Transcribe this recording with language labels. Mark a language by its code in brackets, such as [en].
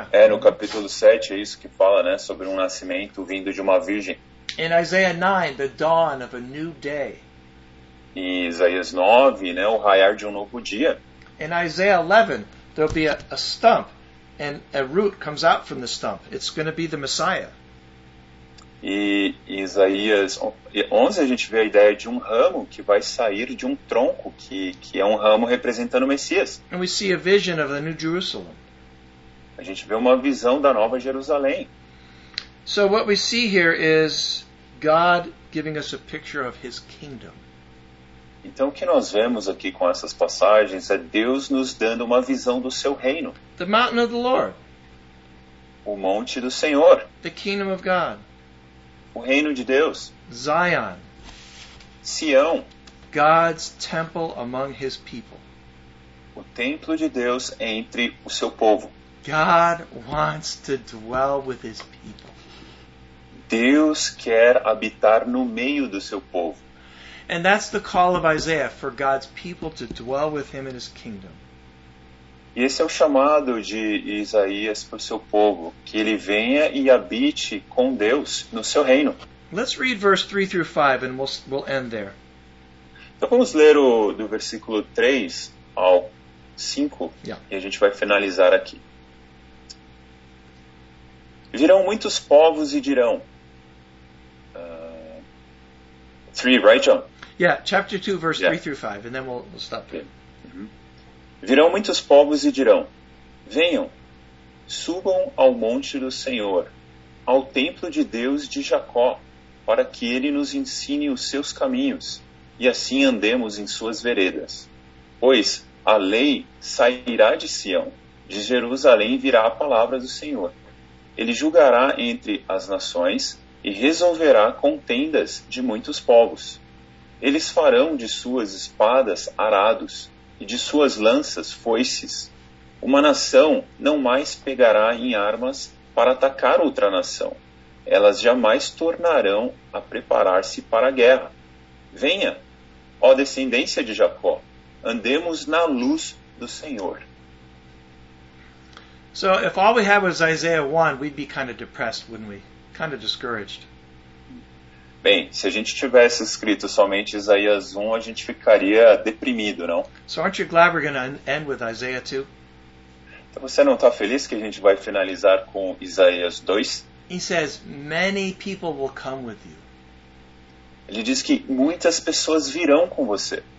[pt] No capítulo 7 é isso que fala, né, sobre um nascimento vindo de uma virgem. [en] In Isaiah 9, the dawn of a new day. [pt] Em Isaías 9, né, o raiar de um novo dia. [en] In Isaiah 11, there'll be a stump, and a root comes out from the stump. It's going to be the Messiah. [pt] E em Isaías 11, a gente vê a ideia de um ramo que vai sair de um tronco, que é um ramo representando o Messias. [en] And we see a vision of the new Jerusalem. [pt] A gente vê uma visão da nova Jerusalém. [en] So what we see here is God giving us a picture of his kingdom. [pt] Então o que nós vemos aqui com essas passagens é Deus nos dando uma visão do seu reino. [en] The mountain of the Lord. [pt] O monte do Senhor. [en] The kingdom of God. [pt] O reino de Deus. [en] Zion. [pt] Sião. [en] God's temple among his people. [pt] O templo de Deus entre o seu povo. [en] God wants to dwell with his people. [pt] Deus quer habitar no meio do seu povo. [en] And that's the call of Isaiah, for God's people to dwell with him in his kingdom. [pt] E esse é o chamado de Isaías para o seu povo, que ele venha e habite com Deus no seu reino. [en] Let's read verse 3 through 5 and we'll end there. [pt] Então vamos ler do versículo 3 ao 5 [en] yeah. [pt] E a gente vai finalizar aqui. Virão muitos povos e dirão. [en] 3, right, John? Yeah, chapter 2, verse 3 through 5, and then we'll stop there. Okay. Mm-hmm. [pt] Virão muitos povos e dirão: venham, subam ao monte do Senhor, ao templo de Deus de Jacó, para que ele nos ensine os seus caminhos, e assim andemos em suas veredas. Pois a lei sairá de Sião, de Jerusalém virá a palavra do Senhor. Ele julgará entre as nações e resolverá contendas de muitos povos. Eles farão de suas espadas arados e de suas lanças foices. Uma nação não mais pegará em armas para atacar outra nação. Elas jamais tornarão a preparar-se para a guerra. Venha, ó descendência de Jacó, andemos na luz do Senhor. [en] So if all we had was Isaiah 1, we'd be kind of depressed, wouldn't we? Kind of discouraged. [pt] Bem, se a gente tivesse escrito somente Isaías 1, a gente ficaria deprimido, não? [en] So aren't you glad we're going to end with Isaiah 2? [pt] Então você não está feliz que a gente vai finalizar com Isaías 2? [en] He says, many people will come with you. [pt] Ele diz que muitas pessoas virão com você.